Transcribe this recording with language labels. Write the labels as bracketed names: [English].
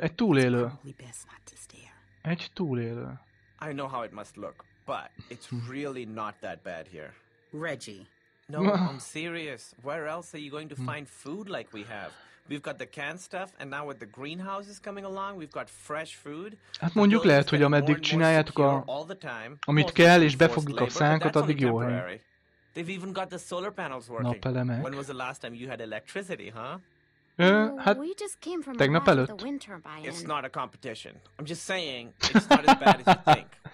[English] It's probably best not to stare. [Hungarian] Egy túlélő. [English] I know how it must look, but it's really not that bad here. Reggie. No, I'm serious. Where else are you going to find food like we have? We've got the canned stuff, and now with the greenhouses coming along, we've got fresh food. [Hungarian] Hát mondjuk lehet, hogy ameddig csináljátok amit kell, és befogjuk a szánkat, addig jó helyen. [English] They've even got the solar panels working. [Hungarian] Napelemek. [English] When was the last time you had electricity, huh? [Hungarian] Hát tegnap előtt. [English] It's not a competition. I'm just saying, it's not as bad as you think.